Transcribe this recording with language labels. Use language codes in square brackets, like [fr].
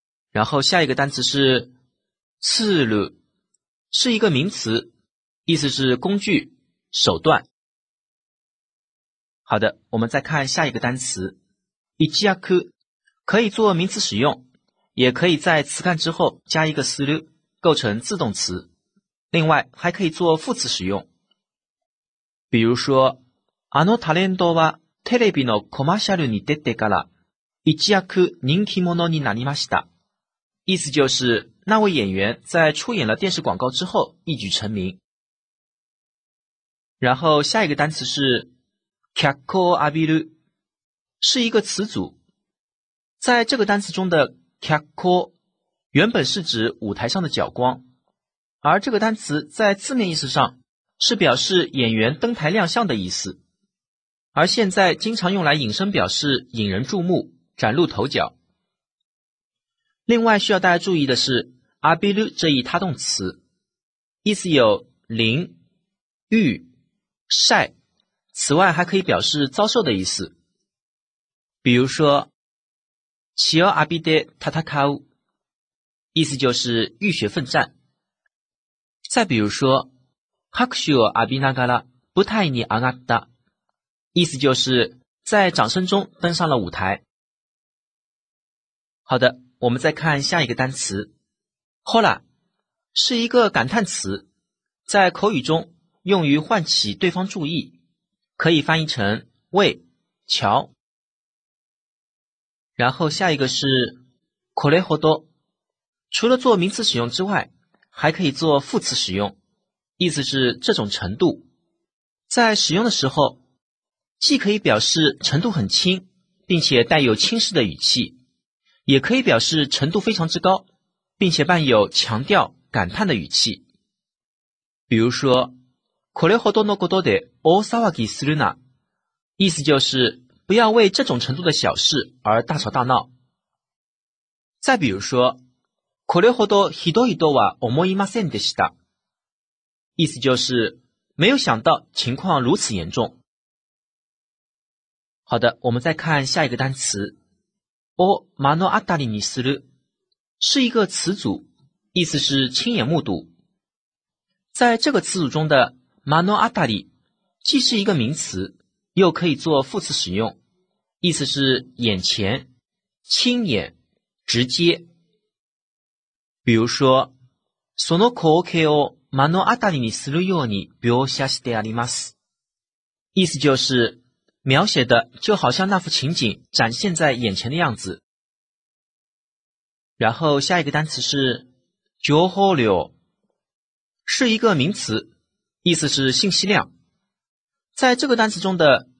[zh] 然后下一个单词是刺鲁，是一个名词，意思是工具手段。好的，我们再看下一个单词一家克，可以做名词使用，也可以在词干之后加一个する，构成自动词。另外还可以做副词使用。比如说， [ja] あのタレントはテレビのコマーシャルに出てから一躍人気者になりました。 [zh] 意思就是，那位演员在出演了电视广告之后一举成名。然后下一个单词是 [ja] 脚光を浴びる， [zh] 是一个词组。在这个单词中的脚光原本是指舞台上的脚光，而这个单词在字面意思上是表示演员登台亮相的意思，而现在经常用来引申表示引人注目、崭露头角。另外需要大家注意的是浴びる这一他动词，意思有淋、浴、晒，此外还可以表示遭受的意思。比如说 [ja] 血を浴びて戦う， [zh] 意思就是浴血奋战。再比如说 [ja] 拍手を浴びながら舞台に上がった， [zh] 意思就是在掌声中登上了舞台。好的，我们再看下一个单词， [ja] ほら， [zh] 是一个感叹词，在口语中用于唤起对方注意，可以翻译成喂、瞧。然后下一个是 [ja] これほど， [zh] 除了做名词使用之外还可以做副词使用，意思是这种程度。在使用的时候既可以表示程度很轻并且带有轻视的语气，也可以表示程度非常之高并且伴有强调、感叹的语气。比如说 [ja] これほどのことで大騒ぎするな， [zh] 意思就是不要为这种程度的小事而大吵大闹。再比如说 [ja] これほどひどいとは思いませんでした， [zh] 意思就是没有想到情况如此严重。好的，我们再看下一个单词， [ja] を目の当たりにする， [zh] 是一个词组，意思是亲眼目睹。在这个词组中的目の当たり既是一个名词，又可以做副词使用，意思是眼前、亲眼、直接。比如说 [ja] その光景を目の当たりにするように描写してあります， [zh] 意思就是描写的就好像那幅情景展现在眼前的样子。然后下一个单词是 [ja] 情報量， [zh] 是一个名词，意思是信息量。在这个单词中的